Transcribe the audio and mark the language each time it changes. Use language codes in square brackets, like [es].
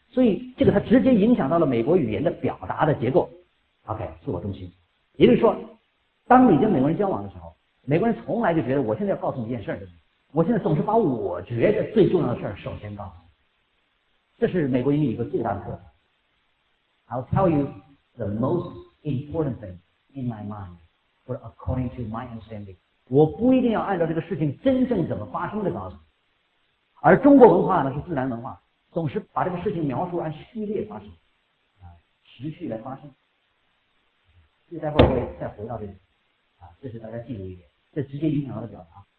[zh] 所以这个它直接影响到了美国语言的表达的结构 ，OK， 自我中心。也就是说，当你跟美国人交往的时候，美国人从来就觉得我现在要告诉你一件事儿，我现在总是把我觉得最重要的事儿首先告诉你。这是美国英语一个最大的特色。 [en] I'll tell you the most important thing in my mind, or according to my understanding。 [zh] 我不一定要按照这个事情真正怎么发生的告诉你。而中国文化呢是自然文化。总是把这个事情描述按序列发生，啊，持续来发生。这待会儿我会再回到这里，啊，这是大家记住一点，这直接影响到的表达。